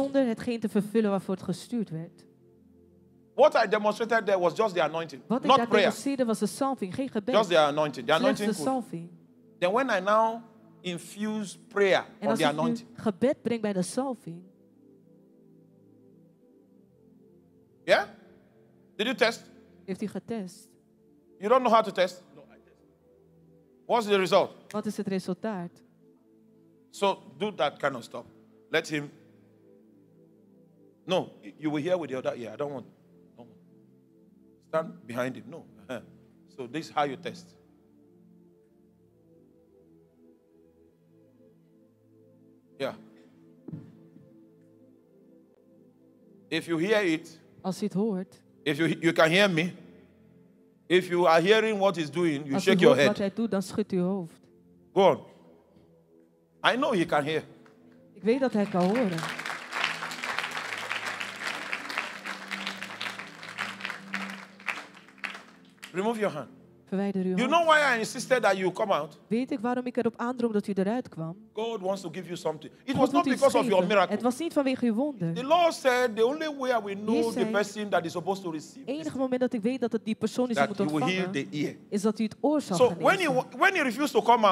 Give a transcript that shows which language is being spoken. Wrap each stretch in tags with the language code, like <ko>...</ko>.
<nl>Zonder hetgeen te vervullen waarvoor het gestuurd werd.</nl> <en>What I demonstrated there was just the anointing,</en> <nl>wat</nl> <en>not prayer.</en> <nl>Wat ik daar demonstreerde was de salving, geen gebed.</nl> <en>Just the anointing, the anointing.</en> <nl>Slechts de salving.</nl> <en>Then when I now infuse prayer on the anointing.</en> <nl>En als ik gebed breng bij de salving.</nl> <en>Yeah. Did you test?</en> <nl>Heeft u getest?</nl> <en>You don't know how to test? No, I test. What's the result?</en> <nl>Wat is het resultaat?</nl> <en>So, do that kind of stuff. Let him. No, you will hear with the other ear. Yeah, I don't want. No. Stand behind him. No. So, this is how you test. Yeah. If you hear it.</en> <nl>Als u het hoort.</nl> <en>If you can hear me, if you are hearing what he's doing, you shake your head.</en> <nl>Als u hoort wat hij doet, dan schudt u hoofd.</nl> <en>Go on. I know he can hear.</en> <nl>Ik weet dat hij kan horen.</nl> <en>Remove your hand.</en> <nl>Verwijder uw hand.</nl> <en>You know why I insisted that you come out?</en> <nl>Weet ik waarom ik erop aandrong dat u eruit kwam?</nl> <en>God wants to give you something. It was not because of your miracle.</en> <nl>Het was niet vanwege uw wonder.</nl> <en>The Lord said the only way I will know the person that is supposed to receive.</en> <nl>Enige moment dat ik weet dat het die persoon is die moet ontvangen.</nl> <en>That you will hear the ear.</en> <nl>Is dat u het oor zal genezen.</nl> <en>So when he refused to come out.</en>